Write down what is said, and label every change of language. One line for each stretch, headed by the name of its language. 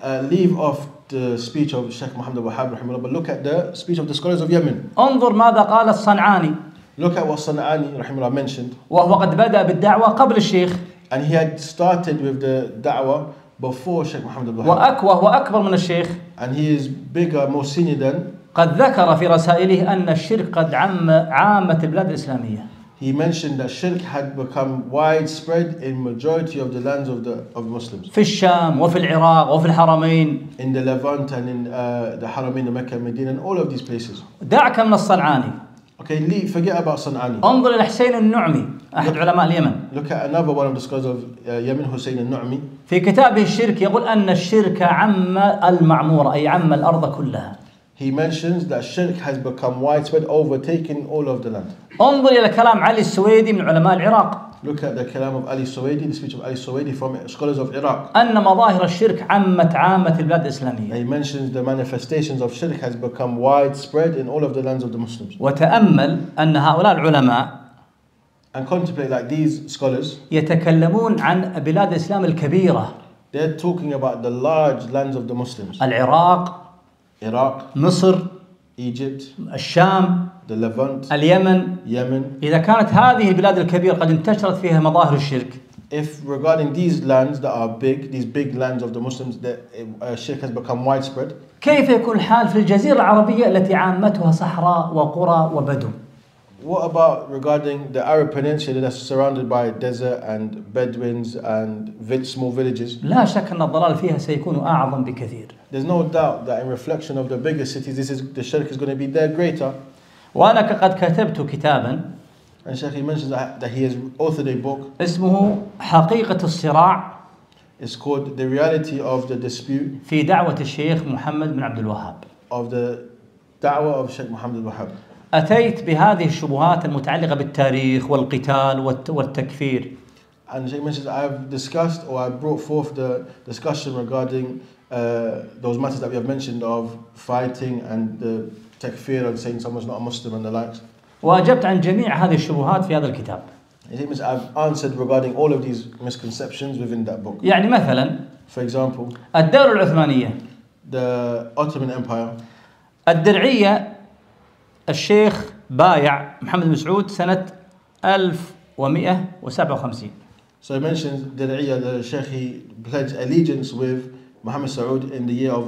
English: Leave off the speech of Sheikh Muhammad al-Wahhab
Arabic: رحمه الله,
English: but look at the speech of the scholars of Yemen.
Arabic: انظر ماذا قال الصنعاني.
English: Look at what Sanani
Arabic: رحمه الله
English: mentioned.
Arabic: وهو قد بدأ بالدعوة قبل الشيخ.
English: And he had started with the da'wah before Sheikh Muhammad al-Wahhab.
Arabic: وهو أكبر من الشيخ.
English: And he is bigger, more senior than.
Arabic: قد ذكر في رسائله أن الشرك قد عامة البلاد الإسلامية.
English: He mentioned that shirk had become widespread in majority of the lands of Muslims.
Arabic: في الشام وفي العراق وفي الحرمين.
English: In the Levant and in the Haramain, the Mecca, Medina, and all of these places.
Arabic: دعك من الصنعاني.
English: Okay, leave. Forget about صنعاني.
Arabic: انظر إلى حسين النعمي أحد علماء اليمن.
English: Look at another one of the scholars of Yemen, Hussein al-Nu'mi.
Arabic: في كتابه الشرك يقول أن الشرك عم المعمورة أي عم الأرض كلها.
English: He mentions that shirk has become widespread, overtaking all of the land.
Arabic: انظر إلى كلام علي السويدي من علماء العراق.
English: Look at the كلام of Ali Suwaidi, the speech of Ali Suwaidi from scholars of Iraq.
Arabic: أن مظاهر الشرك عمت عامة البلاد الإسلامية.
English: He mentions the manifestations of shirk has become widespread in all of the lands of the Muslims.
Arabic: وتأمل أن هؤلاء العلماء.
English: and contemplate like these scholars.
Arabic: يتكلمون عن بلاد الإسلام الكبيرة.
English: They're talking about the large lands of the Muslims.
Arabic: العراق.
English: Iraq.
Arabic: مصر.
English: Egypt.
Arabic: الشام.
English: The Levant.
Arabic: اليمن.
English: Yemen.
Arabic: إذا كانت هذه البلاد الكبيرة قد انتشرت فيها مظاهر الشرك.
English: If regarding these lands that are big, these big lands of the Muslims, that shirk has become widespread.
Arabic: كيف يكون الحال في الجزيرة العربية التي عامتها صحراء وقرى وبدو؟
English: What about regarding the Arab Peninsula that's surrounded by desert and Bedouins and small villages?
Arabic: لا شك أن الضلال فيها سيكون أعظم بكثير.
English: There's no doubt that in reflection of the bigger cities, this is the shirk is going to be there greater.
Arabic: وأنا قد كتبت كتاباً.
English: And Sheikh, he mentions that he has authored a book.
Arabic: اسمه حقيقة الصراع.
English: It's called The Reality of the Dispute.
Arabic: في دعوة الشيخ محمد بن عبد الوهاب.
English: Of the da'wah of Sheikh Muhammad al-Wahhab.
Arabic: أتيت بهذه الشبهات المتعلقة بالتاريخ والقتال والتكفير.
English: And Sheikh mentions I've discussed or I brought forth the discussion regarding those matters that we have mentioned of fighting and the takfir and saying someone's not a Muslim and the likes.
Arabic: وأجبت عن جميع هذه الشبهات في هذا الكتاب.
English: I've answered regarding all of these misconceptions within that book.
Arabic: يعني مثلاً.
English: For example.
Arabic: الدولة العثمانية.
English: The Ottoman Empire.
Arabic: الدرعية الشيخ بايع محمد مسعود سنة 1157.
English: So he mentions درعية the Sheikh he pledged allegiance with Muhammad Saud in the year of